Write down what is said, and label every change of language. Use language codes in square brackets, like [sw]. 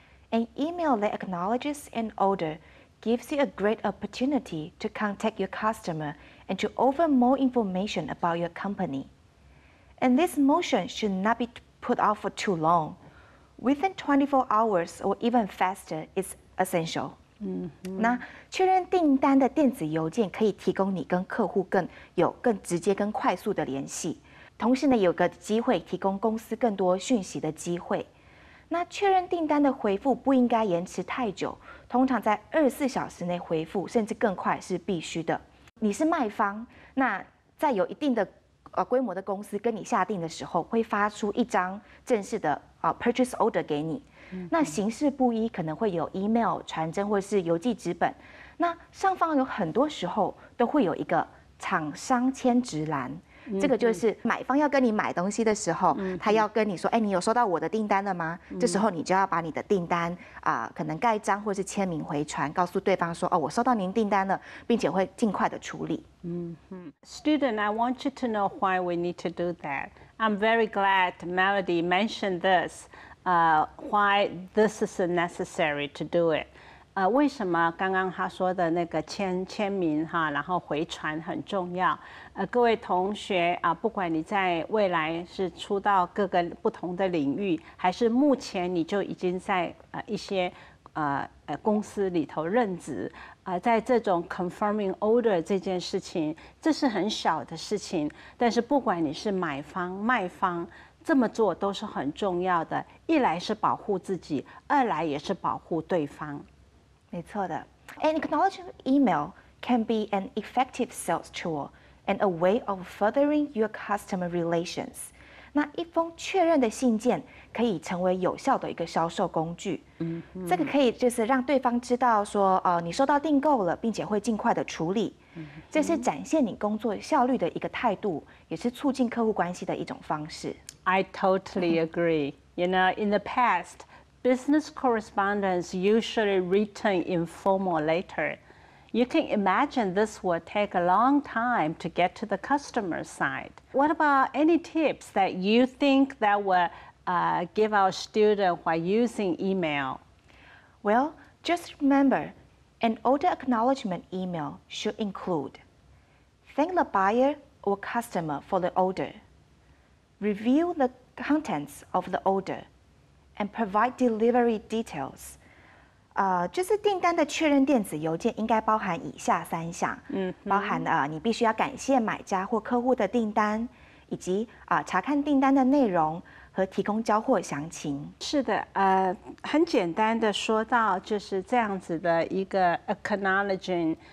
[en] An email that acknowledges an order gives you a great opportunity to contact your customer and to offer more information about your company. And this motion should not be put off for too long. Within 24 hours or even faster is essential. [zh] 那确认订单的电子邮件可以提供你跟客户更有更直接跟快速的联系，同时呢有个机会提供公司更多讯息的机会。那确认订单的回复不应该延迟太久，通常在24小时内回复，甚至更快是必须的。你是卖方，那在有一定的规模的公司跟你下订的时候，会发出一张正式的purchase order 给你。那形式不一，可能会有 email、传真或是邮寄纸本。那上方有很多时候都会有一个厂商签值栏。这个就是买方要跟你买东西的时候，他要跟你说，哎，你有收到我的订单了吗？这时候你就要把你的订单可能盖章或是签名回传，告诉对方说，哦，我收到您订单了，并且会尽快的处理。 [en] Student, I want you to know why we need to do that. I'm very glad Melody mentioned this. Why this is necessary to do it. [zh] 为什么刚刚他说的那个签名哈，然后回传很重要？各位同学啊，不管你在未来是出到各个不同的领域，还是目前你就已经在一些公司里头任职，在这种 confirming order 这件事情，这是很小的事情，但是不管你是买方卖方，这么做都是很重要的。一来是保护自己，二来也是保护对方。没错的。 [en] An acknowledging email can be an effective sales tool and a way of furthering your customer relations. [zh] 那一封确认的信件可以成为有效的一个销售工具。这个可以就是让对方知道说你收到订购了，并且会尽快的处理。这是展现你工作效率的一个态度，也是促进客户关系的一种方式。 [en] I totally agree. You know, in the past,Business correspondence usually written in formal letter. You can imagine this will take a long time to get to the customer side. What about any tips that you think that will give our student while using email? Well, just remember, an order acknowledgement email should include: thank the buyer or customer for the order, review the contents of the order,and provide delivery details. [zh] 就是订单的确认电子邮件应该包含以下三项，包含你必须要感谢买家或客户的订单，以及查看订单的内容和提供交货详情。是的，很简单的说到就是这样子的一个 acknowledging。